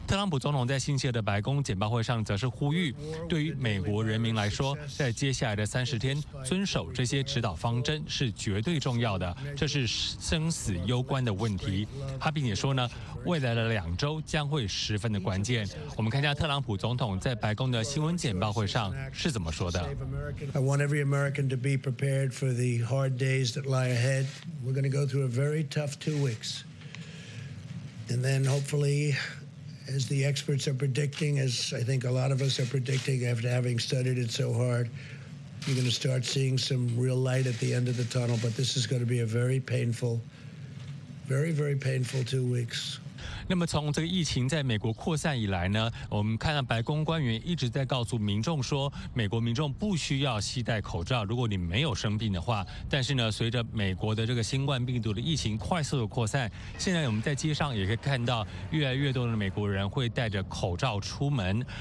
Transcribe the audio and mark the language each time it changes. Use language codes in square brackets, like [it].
[zh] 特朗普总统在星期二的白宫简报会上则是呼吁，对于美国人民来说，在接下来的30天遵守这些指导方针是绝对重要的，这是生死攸关的问题。他并且说呢，为未来的2周将会十分的关键。我们看一下特朗普总统在白宫的新闻简报会上是怎么说的。 [en] I want every American to be prepared for the hard days that lie ahead. We're going to go through a very tough 2 weeks. And then hopefully, as the experts are predicting, as I think a lot of us are predicting after having studied it so hard, you're going to start seeing some real light at the end of the tunnel. But this is going to be a very painful, very, very painful 2 weeks. [zh] 那么从这个疫情在美国扩散以来呢，我们看到白宫官员一直在告诉民众说，美国民众不需要携带口罩，如果你没有生病的话。但是呢，随着美国的这个新冠病毒的疫情快速的扩散，现在我们在街上也可以看到越来越多的美国人会戴着口罩出门。